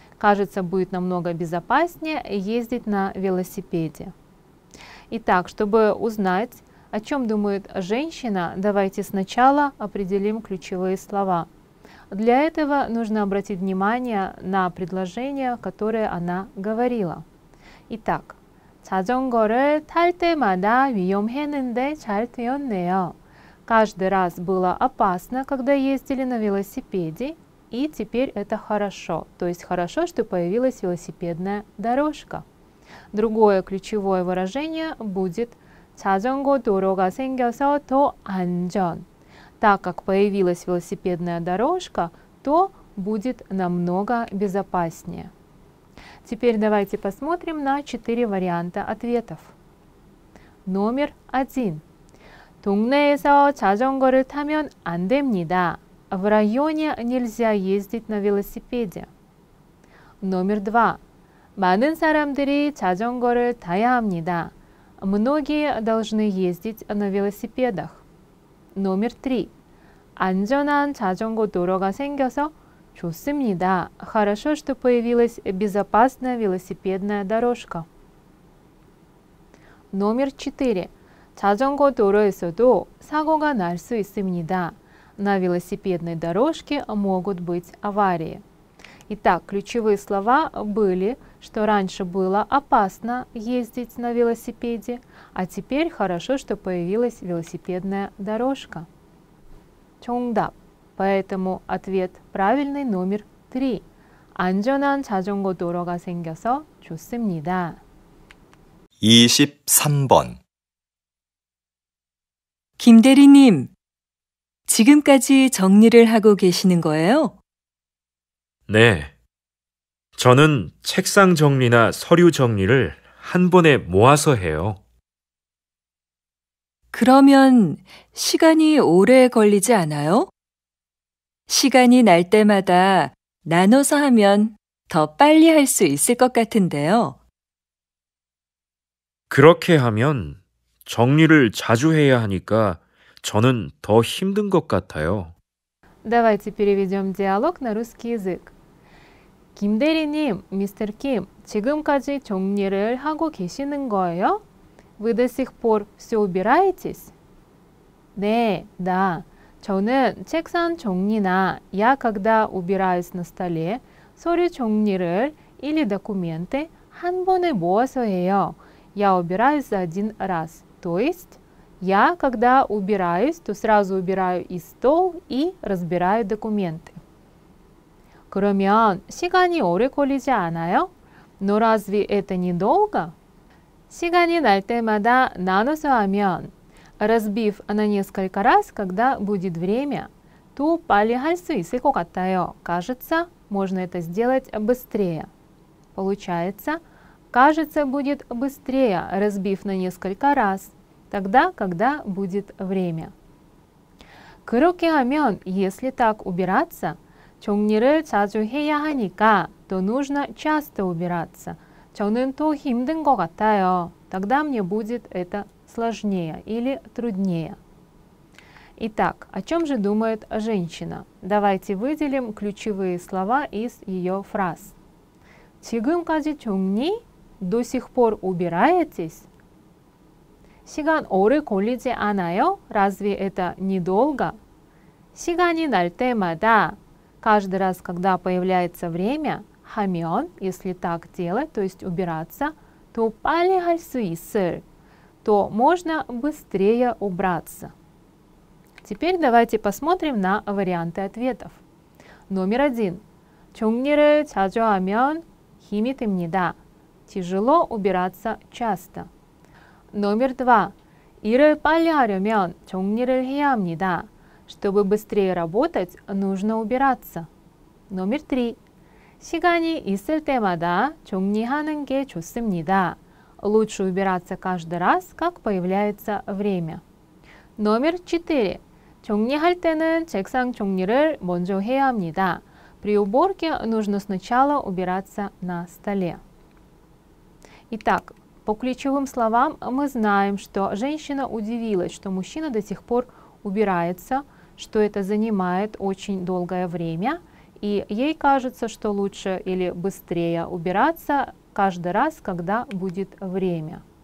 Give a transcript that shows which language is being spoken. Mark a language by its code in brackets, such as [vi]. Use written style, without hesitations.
[ru] Кажется, будет намного безопаснее ездить на велосипеде. Итак, чтобы узнать, о чем думает женщина, давайте сначала определим ключевые слова. Для этого нужно обратить внимание на предложение, которое она говорила. Итак, [ko] 자전거를 탈 때마다 위험했는데 잘 되었네요. [ru] Каждый раз было опасно, когда ездили на велосипеде, и теперь это хорошо. То есть хорошо, что появилась велосипедная дорожка. Другое ключевое выражение будет [ko] 자전거 도로가 생겨서 더 안전. [ru] Так как появилась велосипедная дорожка, то будет намного безопаснее. Теперь давайте посмотрим на 4 варианта ответов. Номер 1. [ko] 동네에서 자전거를 타면 안 됩니다. [ru] В районе нельзя ездить на велосипеде. Номер 2. [ko] 많은 사람들이 자전거를 타야 합니다. [ru] Многие должны ездить на велосипедах. Номер 3. [ko] 안전한 자전거 도로가 생겨서 좋습니다. [ru] Хорошо, что появилась безопасная велосипедная дорожка. Номер 4. [ko] 자전거 도로에서도 사고가 날 수 있습니다. [ru] На велосипедной дорожке могут быть аварии. Итак, ключевые слова были, что раньше было опасно ездить на велосипеде, а теперь хорошо, что появилась велосипедная дорожка. Чонгдап. Поэтому ответ правильный номер 3. [ko] 안전한 자전거 도로가 생겨서 좋습니다. 23번 김대리님, 지금까지 정리를 하고 계시는 거예요? 네. 저는 책상 정리나 서류 정리를 한 번에 모아서 해요. 그러면 시간이 오래 걸리지 않아요? 시간이 날 때마다 나눠서 하면 더 빨리 할 수 있을 것 같은데요. 그렇게 하면 정리를 자주 해야 하니까 저는 더 힘든 것 같아요. [ru] Давайте переведем диалог на русский язык. [ko] 김대리님, 미스터 김, 지금까지 정리를 하고 계시는 거예요? [ru] Вы до сих пор все убираетесь? [ko] 네, [ru] да. [ko] 저는 책상 정리나, [ru] я когда убираюсь на столе, [ko] 서류 정리를 [ru] или документы [ko] 한 번에 모아서 해요. [ru] Я убираюсь за один раз. То есть, я когда убираюсь, то сразу убираю и стол, и разбираю документы. [ko] 그러면 시간이 오래 걸리지 않아요? [ru] Но разве это не долго? [ko] 시간이 날 때마다 나눠서 하면 [ru] Разбив на несколько раз, когда будет время, то [ko] пали할 수 있을 것 같아요. [ru] Кажется, можно это сделать быстрее. Получается, кажется, будет быстрее, разбив на несколько раз, тогда, когда будет время. [ko] 그렇게 하면, [ru] если так убираться, [ko] 정리를 자주 해야 하니까, [ru] то нужно часто убираться. [ko] 저는 더 힘든 것 같아요. [ru] Тогда мне будет это сложнее или труднее. Итак, о чем же думает женщина? Давайте выделим ключевые слова из ее фраз. [ko] 지금까지 정리? [ru] До сих пор убираетесь? [ko] 시간 오래 걸리지 않아요? [ru] Разве это недолго? [ko] 시간이 날 때마다, [ru] каждый раз, когда появляется время, [ko] 하면, [ru] если так делать, то есть убираться, то [ko] 빨리 할 수 있을, [ru] то можно быстрее убраться. Теперь давайте посмотрим на варианты ответов. Номер один. [ko] 정리를 자주 하면 힘이 듭니다. [ru] Тяжело убираться часто. Номер два. [ko] 일을 빨리 하려면 정리를 해야 합니다. [ru] Чтобы быстрее работать, нужно убираться. Номер три. [ko] 시간이 있을 때마다 정리하는 게 좋습니다. [ru] Лучше убираться каждый раз, как появляется время. Номер четыре. [ko] 정리할 때는 책상 정리를 먼저 해야 합니다. [ru] При уборке нужно сначала убираться на столе. Итак, по ключевым словам мы знаем, что женщина удивилась, что мужчина до сих пор убирается, что это занимает очень долгое время, и ей кажется, что лучше или быстрее убираться каждый раз, когда будет время.